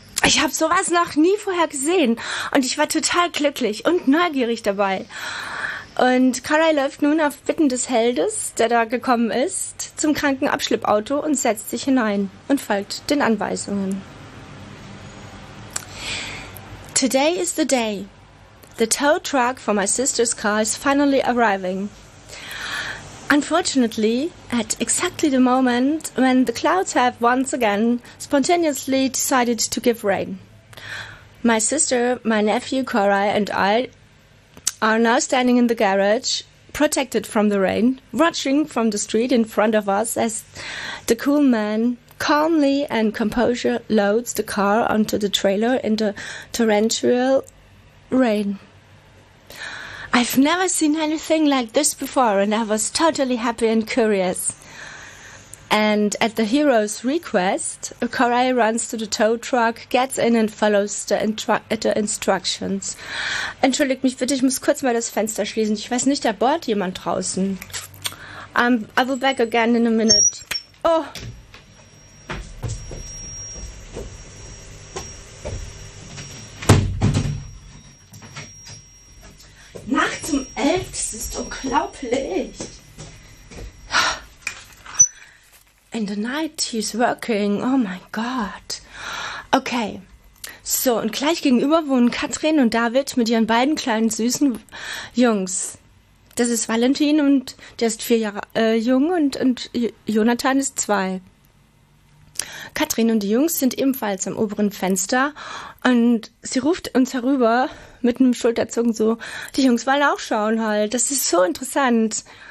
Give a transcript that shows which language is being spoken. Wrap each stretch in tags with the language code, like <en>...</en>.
<de>Ich habe sowas noch nie vorher gesehen und ich war total glücklich und neugierig dabei. Und Karai läuft nun auf Bitten des Heldes, der da gekommen ist, zum kranken Abschleppauto und setzt sich hinein und folgt den Anweisungen.</de> <en>Today is the day. The tow truck for my sister's car is finally arriving. Unfortunately, at exactly the moment when the clouds have once again spontaneously decided to give rain. My sister, my nephew Karai and I are now standing in the garage, protected from the rain, watching from the street in front of us as the cool man calmly and composure loads the car onto the trailer in the torrential rain. I've never seen anything like this before and I was totally happy and curious. And at the hero's request, Koray runs to the tow truck, gets in and follows the instructions.</en> <de>Entschuldigt mich bitte, ich muss kurz mal das Fenster schließen. Ich weiß nicht, da bohrt jemand draußen.</de> <en>I will back again in a minute. Oh!</en> <de>Nacht um 11, das ist unglaublich!</de> <en>In the night he's working. Oh my God. Okay.</en> <de>So, und gleich gegenüber wohnen Katrin und David mit ihren beiden kleinen süßen Jungs. Das ist Valentin und der ist 4 Jahre jung und Jonathan ist 2. Katrin und die Jungs sind ebenfalls am oberen Fenster und sie ruft uns herüber mit einem Schulterzucken so, die Jungs wollen auch schauen halt, das ist so interessant.</de>